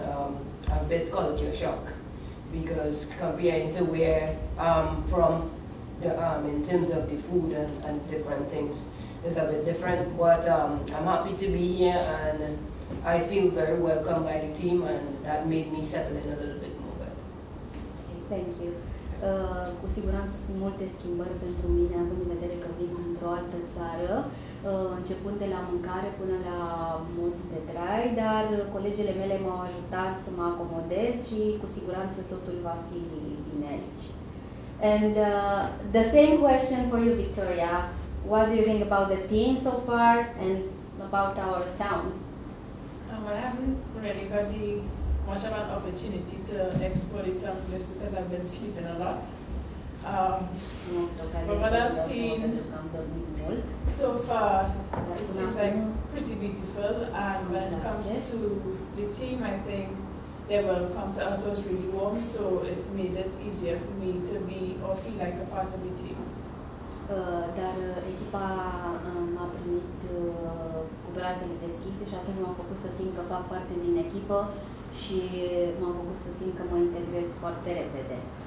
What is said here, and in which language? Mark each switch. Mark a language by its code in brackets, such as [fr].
[en] A bit culture shock because comparing to where I'm from in terms of the food and different things is a bit different. But I'm happy to be here and I feel very welcome by the team and that made me settle in a little bit. Thank you. [ro] Cu siguranță sunt multe schimbări pentru mine, având în vedere că vin într-o altă țară, începând de la mâncare până la modul de trai, dar colegele mele m-au ajutat să mă acomodez și cu siguranță totul va fi bine. [en] manage. And the same question for you, Victoria. What do you think about the team so far and about our town? Well, I haven't really had much of an opportunity to explore the town just because I've been sleeping a lot. But what I've seen so far, it seems like pretty beautiful. And when it comes to the team, I think they welcome to us, was really warm, so it made it easier for me to be or feel like a part of the team. [ro] Dar echipa m-a primit cu brațele deschise și atunci m-a făcut să simt că fac parte din echipă și m-a făcut să simt că mă integrez foarte repede.